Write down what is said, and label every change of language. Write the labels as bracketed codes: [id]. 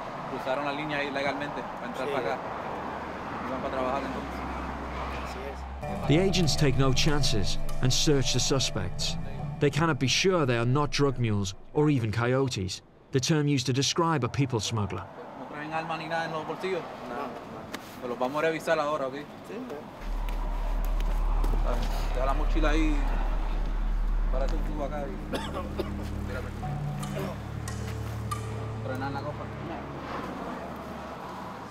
[es] Cruzaron la línea ilegalmente para entrar para acá. Iban para trabajar entonces. [en] The agents take no chances and search the suspects. They cannot be sure they are not drug mules or even coyotes, the term used to describe a people smuggler. [es] No traen alma ni nada en los bolsillos. No. Pero los vamos a revisar ahora, ¿ok? Sí. Deja la mochila ahí. Párate un tubo acá y. Espérate. No traen nada en la copa. No.